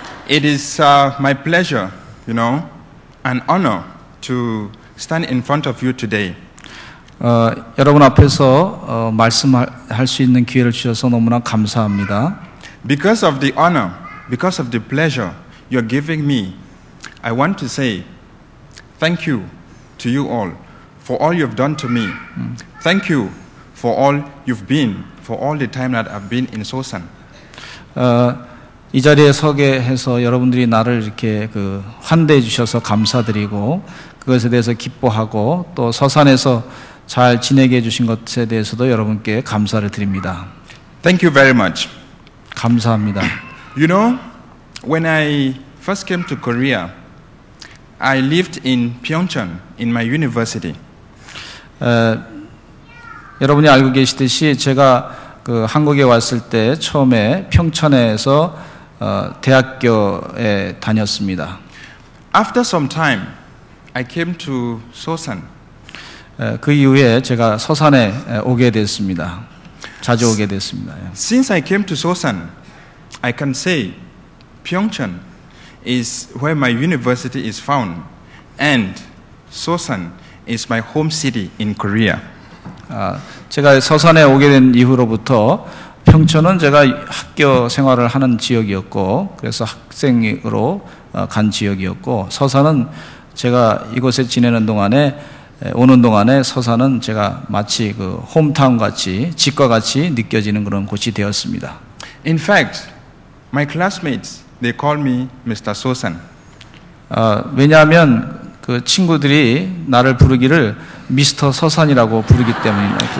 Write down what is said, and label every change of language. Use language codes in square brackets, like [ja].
[en] It is my pleasure, you know, an honor to stand in front of you today. [ko] 여러분 앞에서 말씀할 수 있는 기회를 주셔서 너무나 감사합니다. [en] Because of the honor, because of the pleasure you are giving me, I want to say thank you to you all for all you've done to me. Thank you for all you've been, for all the time that I've been in Sosan. [ko] 이 자리에 서게 해서 여러분들이 나를 이렇게 그 환대해 주셔서 감사드리고 그것에 대해서 기뻐하고 또 서산에서 잘 지내게 해주신 것에 대해서도 여러분께 감사를 드립니다. [en] Thank you very much. [ko] 감사합니다. [en] You know, when I first came to Korea, I lived in Pyeongchang in my university. [ko] 여러분이 알고 계시듯이 제가 그 한국에 왔을 때 처음에 평천에서 대학교에 다녔습니다. [en] After some time, I came to Sosan. [ko] 그 이후에 제가 서산에 오게 됐습니다. 자주 오게 됐습니다. [en] Since I came to Sosan, I can say Pyeongchang is where my university is found, and Sosan is my home city in Korea. [ko] 제가 서산에 오게 된 이후로부터 평촌은 제가 학교 생활을 하는 지역이었고 그래서 학생으로 간 지역이었고 서산은 제가 이곳에 지내는 동안에 오는 동안에 서산은 제가 마치 그 홈타운 같이 집과 같이 느껴지는 그런 곳이 되었습니다. [en] In fact, my classmates they call me Mr. Sosan. [ko] 왜냐하면 그 친구들이 나를 부르기를 미스터 서산이라고 부르기 때문입니다.